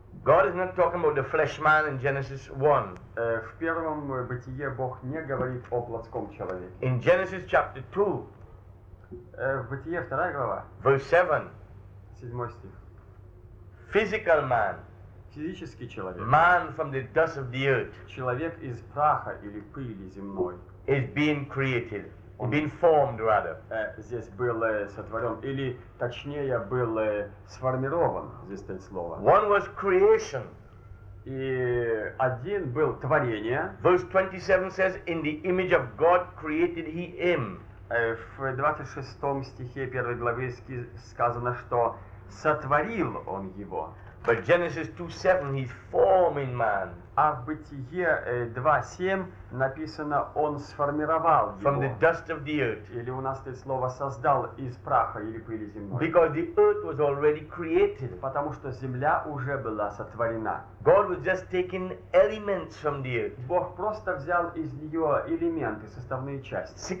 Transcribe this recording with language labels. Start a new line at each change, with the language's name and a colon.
English: God is not talking about the flesh man in Genesis 1.
Russian: В первом бытие Бог не говорит о плотском человеке.
English: In Genesis chapter 2.
Russian: В бытие 2 глава.
English: Verse 7.
Russian: 7 стих.
English: Physical man.
Russian: Физический человек.
English: Man from the dust of the earth.
Russian: Человек из праха или пыли земной.
English: Is being created. Он being formed rather.
Russian: Здесь был сотворен, или точнее был сформирован, здесь стоит слово.
English: One was creation.
Russian: И один был творение.
English: Verse 27 says, in the image of God created he him.
Russian: В 26 стихе 1 главы сказано, что сотворил он его.
English: But Genesis 2:7, he's forming man.
Russian: А в Бытие 2:7 написано, он сформировал его.
English: From the dust of the earth.
Russian: Или у нас есть слово создал из праха или пыли земной.
English: Because the earth was already created.
Russian: Потому что земля уже была сотворена.
English: God was just taking elements from the earth.
Russian: Бог просто взял из нее элементы, составные части.